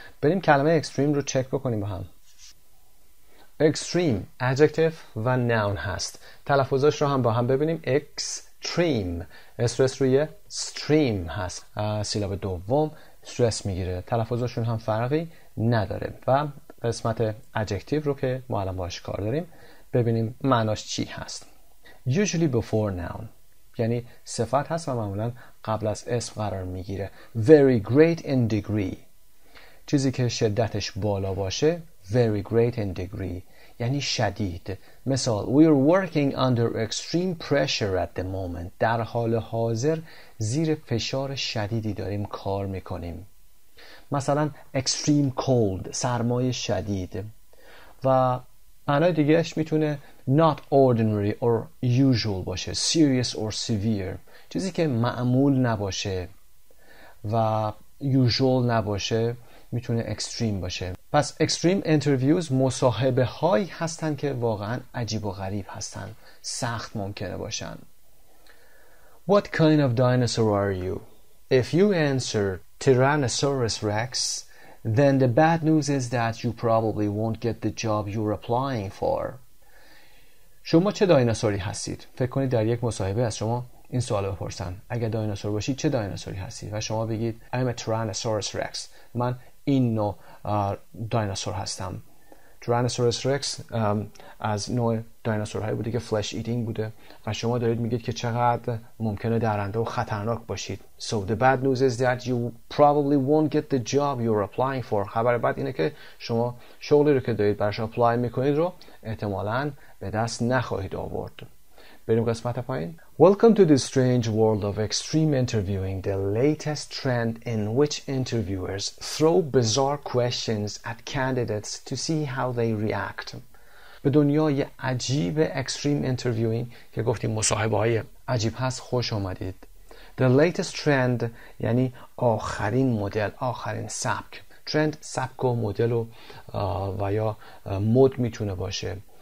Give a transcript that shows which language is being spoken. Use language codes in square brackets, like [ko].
[fa] بریم کلمه Extreme رو چک بکنیم با هم. Extreme Adjective و Noun هست. تلفظش رو هم با هم ببینیم. Extreme استرس روی Stream هست، سیلاب دوم استرس میگیره، تلفظشون هم فرقی نداره. و قسمت Adjective رو که ما الان باش کار داریم ببینیم معناش چی هست. [en] Usually before noun، [fa] یعنی صفت هست و معمولا قبل از اسم قرار میگیره. [en] Very great in degree، [fa] چیزی که شدتش بالا باشه. [en] Very great in degree [fa] یعنی شدید. مثال: [en] We are working under extreme pressure at the moment. [fa] در حال حاضر زیر فشار شدیدی داریم کار میکنیم. مثلا extreme cold، سرمای شدید. و معنای دیگهش میتونه [en] not ordinary or usual [fa] باشه، [en] serious or severe، [fa] چیزی که معمول نباشه و usual نباشه میتونه extreme باشه. پس extreme interviews مصاحبه هایی هستن که واقعا عجیب و غریب هستن، سخت ممکنه باشن. [en] What kind of dinosaur are you? If you answer Tyrannosaurus Rex, then the bad news is that you probably won't get the job you're applying for. [fa] شما چه دایناسوری هستید؟ فکر کنید در یک مصاحبه از شما این سوال بپرسن. اگر دایناسور باشید چه دایناسوری هستید؟ و شما بگید [en] I'm a Tyrannosaurus Rex. [fa] من این نوع دایناسور هستم. Tyrannosaurus Rex از نوع دایناسورهایی بوده که فلش ایتینگ بوده، و شما دارید میگید که چقدر ممکنه درنده و خطرناک باشید. [en] So the bad news is that you probably won't get the job you're applying for. [fa] خبر بد اینه که شما شغلی رو که دارید براش اپلای میکنید رو احتمالاً به دست نخواهید آورد. بریم قسمت پایین. [en] Welcome to the strange world of extreme interviewing, the latest trend in which interviewers throw bizarre questions at candidates to see how they react. [fa] به دنیای عجیب extreme interviewing که گفتیم مصاحبه‌های عجیب هست خوش اومدید. [en] The latest trend [fa] یعنی آخرین مدل، آخرین سبک. Trend سبک و مدل و یا مد میتونه باشه.